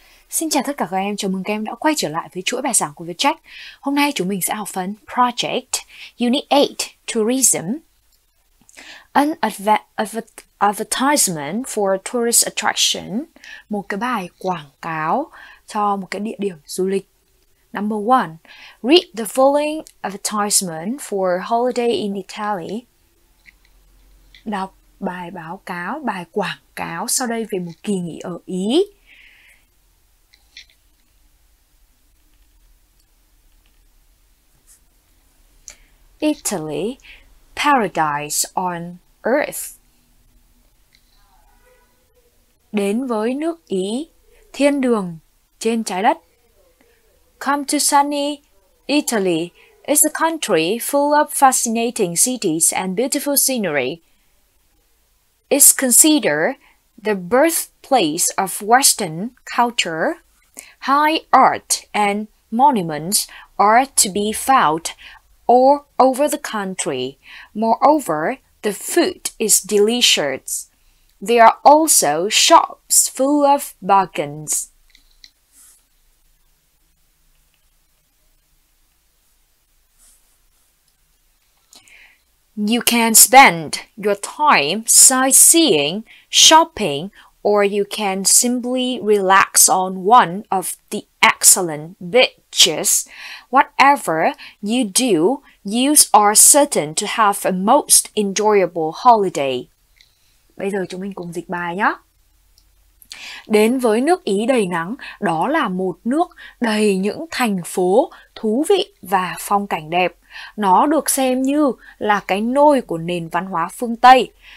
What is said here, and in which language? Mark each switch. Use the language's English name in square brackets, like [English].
[Vietnamese] Xin chào tất cả các em, chào mừng các em đã quay trở lại với chuỗi bài giảng của Vietjet. Hôm nay chúng mình sẽ học phần Project Unit 8 Tourism. [English] An advertisement for a tourist attraction, [Vietnamese] một cái bài quảng cáo cho một cái địa điểm du lịch. [English] Number one, read the following advertisement for holiday in Italy. [Vietnamese] Đọc bài báo cáo, bài quảng cáo sau đây về một kỳ nghỉ ở Ý. [English] Italy, paradise on earth. [Vietnamese] Đến với nước Ý, thiên đường trên trái đất. [English] Come to sunny Italy. It's a country full of fascinating cities and beautiful scenery. It's considered the birthplace of Western culture. High art and monuments are to be found all over the country. Moreover, the food is delicious. There are also shops full of bargains. You can spend your time sightseeing, shopping, or you can simply relax on one of the excellent beaches. Whatever you do, you are certain to have a most enjoyable holiday. [Vietnamese] Bây giờ chúng mình cùng dịch bài nhé. Đến với nước Ý đầy nắng, đó là một nước đầy những thành phố thú vị và phong cảnh đẹp. Nó được xem như là cái nôi của nền văn hóa phương Tây.